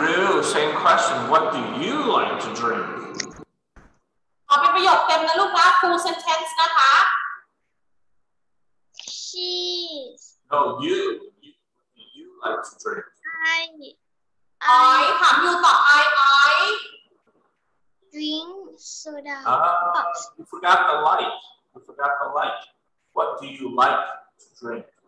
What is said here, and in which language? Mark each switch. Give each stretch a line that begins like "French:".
English: real same question what do you like to drink
Thai: ขอเป็นประโยคเต็มนะลูกนะ
English: full sentence
Thai: นะคะ
English: she no you what do you like to drink
Thai: I ถามอยู่ต่อ I
English: drink soda you forgot the light you forgot the light. What do you like to drink?